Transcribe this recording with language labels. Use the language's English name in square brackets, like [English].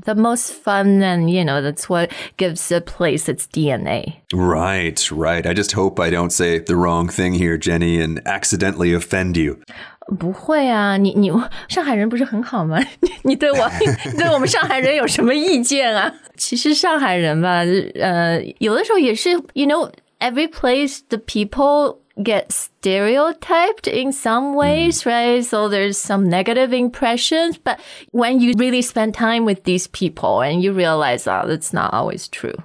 [English] The most fun, and you know, that's what gives a place its DNA. Right, right. I just hope I don't say the wrong thing here, Jenny, and accidentally offend you. [Chinese] 不会啊，你上海人不是很好吗？你对我对我们上海人有什么意见啊？其实上海人吧，有的时候也是 [English] ，you know, every place the people get stereotyped in some ways, right? So there's some negative impressions, but when you really spend time with these people and you realize that that's not always true.